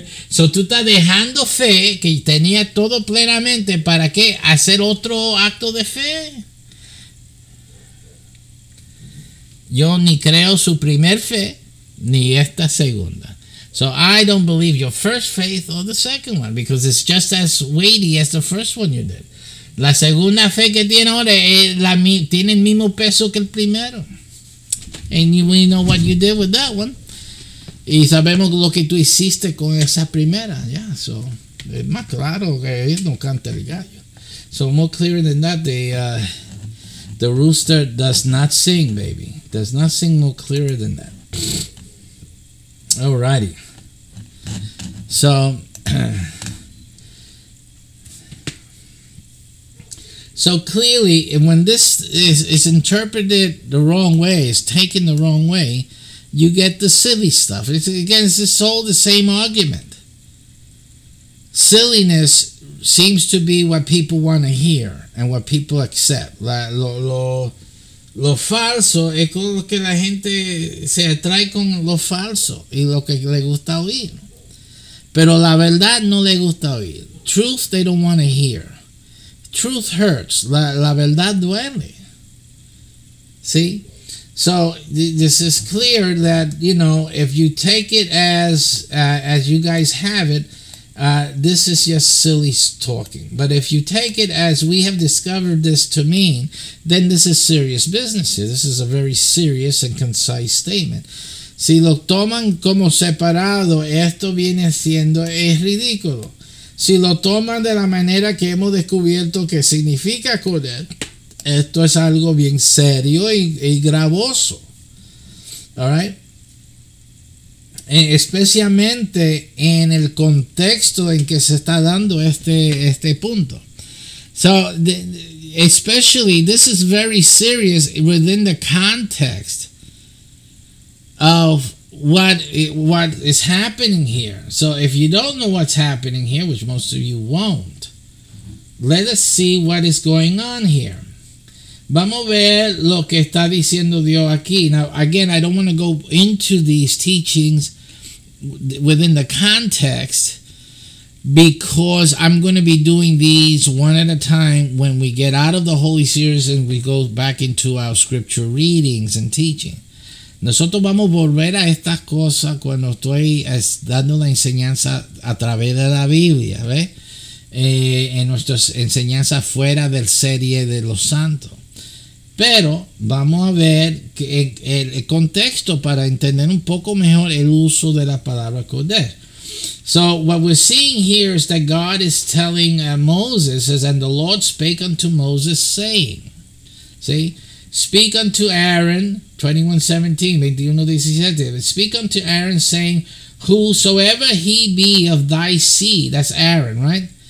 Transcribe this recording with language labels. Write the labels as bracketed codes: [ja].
[es] So tú estás dejando fe que tenía todo plenamente, ¿para qué? ¿Hacer otro acto de fe? Yo ni creo su primer fe, ni esta segunda. [en] So I don't believe your first faith or the second one, because it's just as weighty as the first one you did. [es] La segunda fe que tiene ahora tiene el mismo peso que el primero. [en] And we know what you did with that one. [es] Y sabemos lo que tú hiciste con esa primera. Yeah, so es más claro que él no canta el gallo. [en] So more clear than that, the rooster does not sing, baby. Does not sing more clearer than that. Alrighty. So... So clearly, when this is interpreted the wrong way, is taken the wrong way, you get the silly stuff. It's all the same argument. Silliness seems to be what people want to hear and what people accept. [es] Lo falso es con lo que la gente se atrae con lo falso y lo que le gusta oír. Pero la verdad no le gusta oír. [en] Truth they don't want to hear. Truth hurts. [es] La verdad duele. See? [en] So, this is clear that, you know, if you take it as you guys have it, this is just silly talking. But if you take it as we have discovered this to mean, then this is serious business here. This is a very serious and concise statement. [es] Si lo toman como separado, esto viene siendo es ridículo. Si lo toman de la manera que hemos descubierto que significa correr, esto es algo bien serio y gravoso. All right? Especialmente en el contexto en que se está dando este punto. [en] So, especially, this is very serious within the context of what is happening here. So if you don't know what's happening here, which most of you won't, let us see what is going on here. [es] Vamos a ver lo que está diciendo Dios aquí. [en] Now, again, I don't want to go into these teachings within the context because I'm going to be doing these one at a time when we get out of the Holy Series and we go back into our scripture readings and teaching. [es] Nosotros vamos a volver a estas cosas cuando estoy dando la enseñanza a través de la Biblia, ¿ves? En nuestras enseñanzas fuera del serie de los santos. Pero vamos a ver el contexto para entender un poco mejor el uso de la palabra Kodesh. [en] So what we're seeing here is that God is telling Moses, says, and the Lord spake unto Moses, saying, see, speak unto Aaron, 21:17, speak unto Aaron, saying, whosoever he be of thy seed, that's Aaron, right?